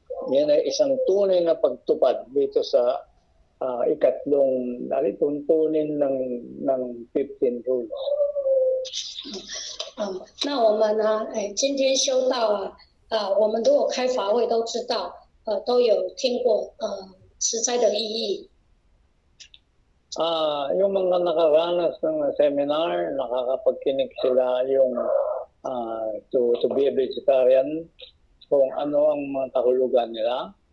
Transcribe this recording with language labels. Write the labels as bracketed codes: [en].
[tl] Yan ay isang tunay na pagtupad dito sa ikatlong alituntunin ng 15 rules. [zh] 那我们呢，今天修道，我们如果开法会都知道，都有听过持斋的意义。 [tl] Yung mga nakaranas ng seminar, nakakapagkinig sila yung [en] to be a vegetarian, [tl] kung ano ang mga kahulugan nila.